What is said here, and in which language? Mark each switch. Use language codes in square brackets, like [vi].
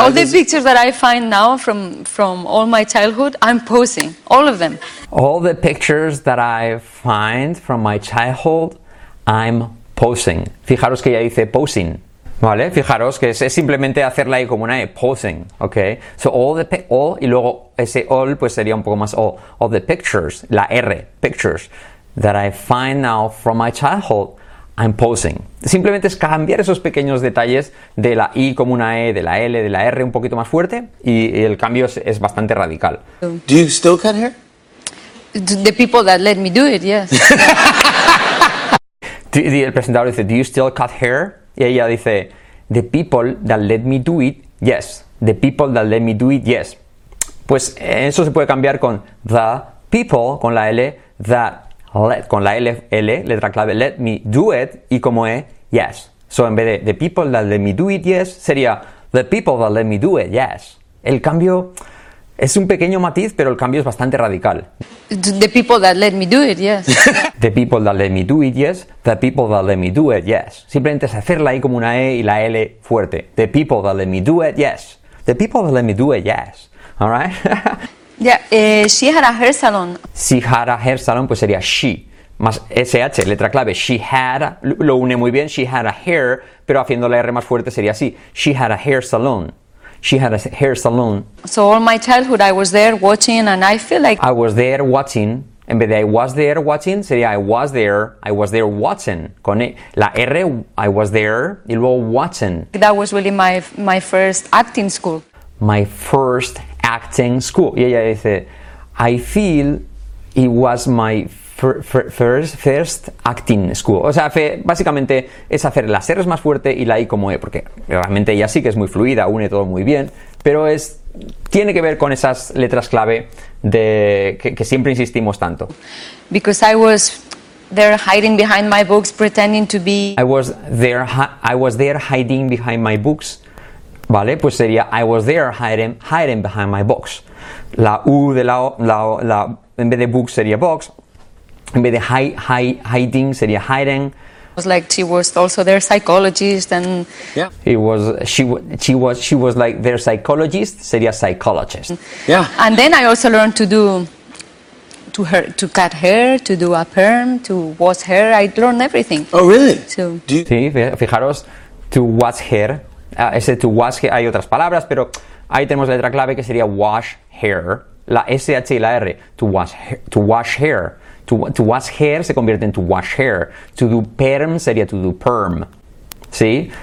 [en] All the pictures that I find now from all my childhood, I'm posing, all of them. All the pictures that I find from my childhood, I'm posing. [es] Fijaros que ella dice posing, ¿vale? Fijaros que es simplemente hacer la E como una E, posing, ¿ok? [en] So all, [es] y luego ese all pues sería un poco más all. [en] All the pictures, [es] la R, [en] pictures, that I find now from my childhood, I'm posing. [es] Simplemente es cambiar esos pequeños detalles de la I como una E, de la L, de la R un poquito más fuerte, y el cambio es bastante radical. [en] Do you still cut hair? The people that let me do it, yes. [es] El presentador dice, [en] do you still cut hair? [es] Y ella dice, [en] the people that let me do it, yes. The people that let me do it, yes. [es] Pues eso se puede cambiar con [en] the people, [es] con la L, [en] that let, [es] con la L, letra clave, [en] let me do it, [es] y como E, yes. [en] So [es] en vez de [en] the people that let me do it, yes, [es] sería [en] the people that let me do it, yes. [es] El cambio es un pequeño matiz, pero el cambio es bastante radical. [en] The people that let me do it, yes. The people that let me do it, yes. The people that let me do it, yes. [es] Simplemente es hacer la I como una E y la L fuerte. [en] The people that let me do it, yes. The people that let me do it, yes. All right? Yeah, she had a hair salon. She had a hair salon, [es] pues sería [en] she. [es] Más SH, letra clave. [en] She had, [es] lo une muy bien. [en] She had a hair, [es] pero haciendo la R más fuerte sería así. [en] She had a hair salon. She had a hair salon. So all my childhood I was there watching, and I feel like... I was there watching. [es] En vez de [en] I was there watching, [es] sería [en] I was there watching. [es] Con la R, [en] I was there, [es] y luego watching. [en] That was really my first acting school. My first acting school. [es] Y ella dice, [en] I feel it was my First Acting School. [es] O sea, básicamente es hacer las R's más fuerte y la I como E, porque realmente ella sí que es muy fluida, une todo muy bien, pero es tiene que ver con esas letras clave de que siempre insistimos tanto. [en] Because I was there hiding behind my books pretending to be I was there hiding behind my books. [es] Vale, pues sería [en] I was there hiding behind my books. [es] La U de la O, la en vez de books sería box. En vez de hiding sería hiding. [en] It was like she was also their psychologist and yeah. She was like their psychologist, [es] sería [en] psychologist. Yeah. And then I also learned to cut hair, to do a perm, to wash hair. I learned everything. Oh, really? So. [es] Sí, fijaros, [en] to wash hair. [es] Ese to [en] wash hair, [es] hay otras palabras, pero ahí tenemos la letra clave que sería wash hair. La SH y la R, [en] to wash hair. To wash hair [es] se convierte en [en] to wash hair. To do perm [es] sería [en] to do perm. ¿Sí?